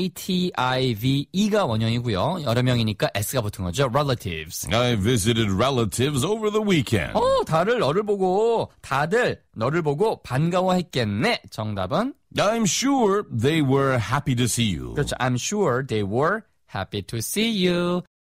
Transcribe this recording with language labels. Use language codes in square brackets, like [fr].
[ko] R-E-L-A-T-I-V-E가 원형이고요. 여러 명이니까 S가 붙은 거죠. [en] Relatives. I visited relatives over the weekend. [ko] 어, 다들 너를 보고, 다들 너를 보고 반가워했겠네. 정답은? [en] I'm sure they were happy to see you. [ko] 그렇죠. [en] I'm sure they were happy to see you.